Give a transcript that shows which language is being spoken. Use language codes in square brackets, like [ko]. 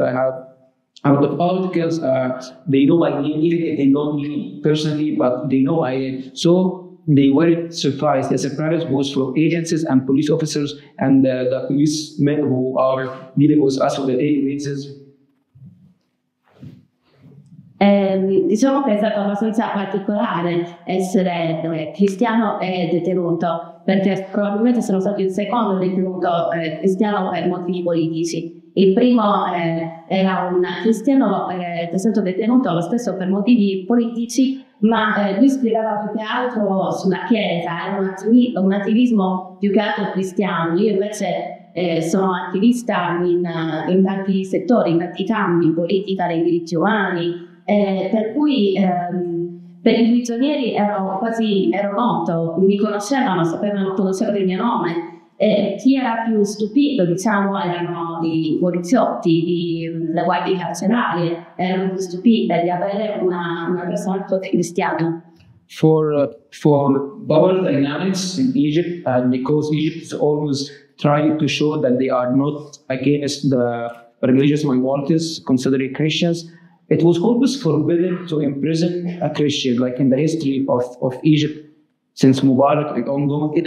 [en] I have a lot of articles. They know my name, even if they know me personally, but they know I am. So they were surprised. The surprise was from agencies and police officers and the policemen who are dealing with us for the agencies. [it] Diciamo che è stato abbastanza particolare essere cristiano e detenuto, perché probabilmente sono stato il secondo detenuto cristiano per motivi politici. Il primo era un cristiano che è stato detenuto lo stesso per motivi politici, ma lui spiegava più che altro sulla Chiesa, era un attivismo più che altro cristiano. Io invece sono attivista in tanti settori, in tanti campi, politica, dei diritti umani. Per cui per i prigionieri ero noto, mi conoscevano, conoscevano il mio nome. Chi era più stupito, diciamo, erano i poliziotti, le guardie carcerarie, erano più stupite di avere una persona così cristiana. [en] For bubble dynamics in Egypt, and because Egypt is always trying to show that they are not against the religious minorities, considering Christians, it was always forbidden to imprison a Christian, like in the history of Egypt, since Mubarak, like ongoing.